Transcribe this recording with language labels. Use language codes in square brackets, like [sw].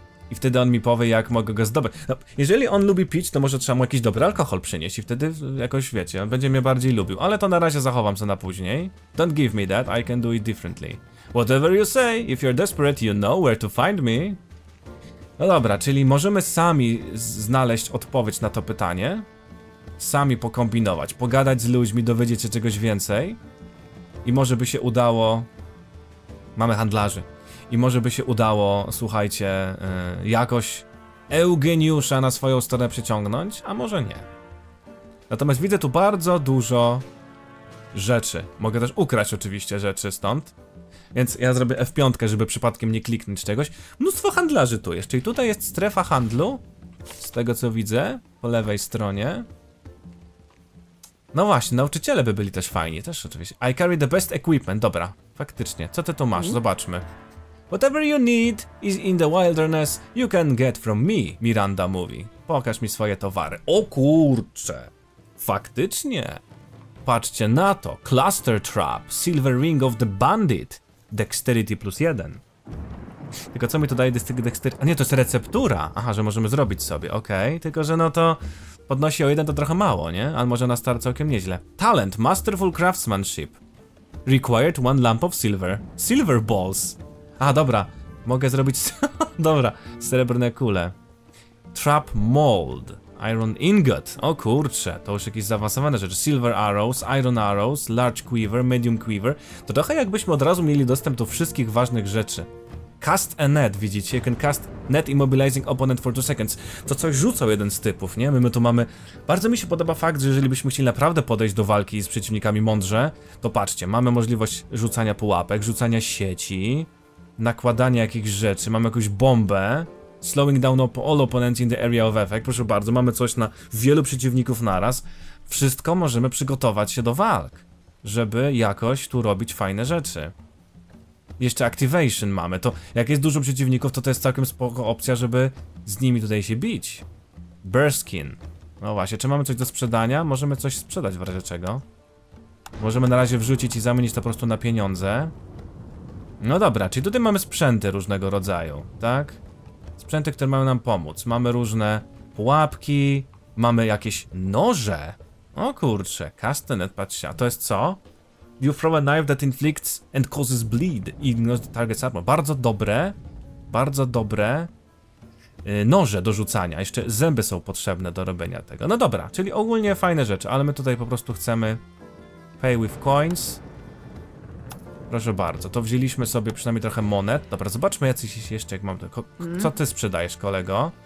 [pl] I wtedy on mi powie, jak mogę go zdobyć. No, jeżeli on lubi pić, to może trzeba mu jakiś dobry alkohol przynieść i wtedy jakoś, wiecie, on będzie mnie bardziej lubił. Ale to na razie zachowam to na później. [en] Don't give me that, I can do it differently. Whatever you say, if you're desperate, you know where to find me. [pl] No dobra, czyli możemy sami znaleźć odpowiedź na to pytanie. Sami pokombinować, pogadać z ludźmi, dowiedzieć się czegoś więcej. I może by się udało... Mamy handlarzy. I może by się udało, słuchajcie, jakoś Eugeniusza na swoją stronę przyciągnąć, a może nie. Natomiast widzę tu bardzo dużo rzeczy. Mogę też ukraść oczywiście rzeczy stąd. Więc ja zrobię F5, żeby przypadkiem nie kliknąć czegoś. Mnóstwo handlarzy tu jeszcze. I tutaj jest strefa handlu, z tego co widzę, po lewej stronie. No właśnie, nauczyciele by byli też fajni, też oczywiście. [en] I carry the best equipment. [pl] Dobra, faktycznie. Co ty tu masz? Zobaczmy. [en] Whatever you need is in the wilderness, you can get from me, [pl] Miranda mówi. Pokaż mi swoje towary. O kurcze! Faktycznie! Patrzcie na to! [en] Cluster Trap, Silver Ring of the Bandit, Dexterity plus 1. [pl] Tylko co mi to daje Dexterity? A nie, to jest receptura! Aha, że możemy zrobić sobie, okej. Okay. Tylko, że no to podnosi o 1 to trochę mało, nie? Ale może na start całkiem nieźle. [en] Talent, Masterful Craftsmanship. Required one lamp of silver. Silver balls! [pl] A, dobra, mogę zrobić, dobra, srebrne kule. [en] Trap mold, iron ingot, [pl] o kurcze, to już jakieś zaawansowane rzeczy. [en] Silver arrows, iron arrows, large quiver, medium quiver. [pl] To trochę jakbyśmy od razu mieli dostęp do wszystkich ważnych rzeczy. [en] Cast a net, widzicie, you can cast net immobilizing opponent for 2 seconds. [pl] To coś rzucał jeden z typów, nie? My tu mamy... Bardzo mi się podoba fakt, że jeżeli byśmy chcieli naprawdę podejść do walki z przeciwnikami mądrze, to patrzcie, mamy możliwość rzucania pułapek, rzucania sieci, nakładanie jakichś rzeczy, mamy jakąś bombę. [en] Slowing down all opponents in the area of effect. [pl] Proszę bardzo, mamy coś na wielu przeciwników naraz. Wszystko możemy przygotować się do walk, żeby jakoś tu robić fajne rzeczy. Jeszcze activation mamy. To jak jest dużo przeciwników, to jest całkiem spoko opcja, żeby z nimi tutaj się bić. Burskin. No właśnie, czy mamy coś do sprzedania? Możemy coś sprzedać w razie czego. Możemy na razie wrzucić i zamienić to po prostu na pieniądze. No dobra, czyli tutaj mamy sprzęty różnego rodzaju, tak? Sprzęty, które mają nam pomóc. Mamy różne pułapki, mamy jakieś noże. O kurcze, castanet, patrzcie, a to jest co? [en] You throw a knife that inflicts and causes bleed, ignores the target's armor. [pl] Bardzo dobre. Bardzo dobre. Noże do rzucania. Jeszcze zęby są potrzebne do robienia tego. No dobra, czyli ogólnie fajne rzeczy, ale my tutaj po prostu chcemy [en] pay with coins. [pl] Proszę bardzo, to wzięliśmy sobie przynajmniej trochę monet. Dobra, zobaczmy jacyś jeszcze, jak mam to. Co ty sprzedajesz, kolego?